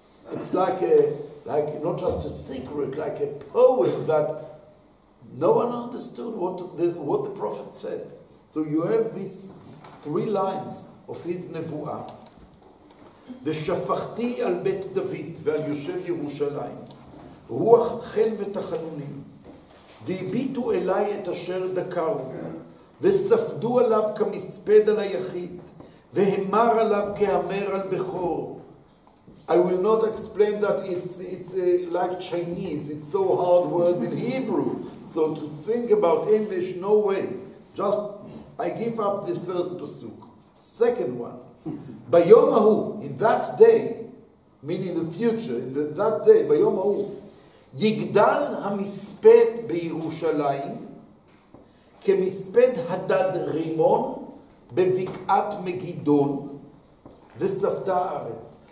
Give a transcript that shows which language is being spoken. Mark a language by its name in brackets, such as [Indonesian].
[English] It's like not just a secret, like a poem that no one understood what the prophet said. So you have these three lines of his nevuah. [Hebrew] ושפחתי על בית דוד ועל יושב ירושלים רוח חן ותחנונים והביטו אליי את אשר דקרו וספדו עליו כמספד על היחיד והמר עליו כהמר על בכור. [English] I will not explain that it's like Chinese, it's so hard words in Hebrew, so to think about English, no way. Just I give up this first pasuk. Second one, [Hebrew] ביום ההוא, [English] in that day, meaning the future, in that day, [Hebrew] ביום ההוא, יגדל המספד בירושלים כמספד הדד רימון בבקעת מגידון וספתה הארץ.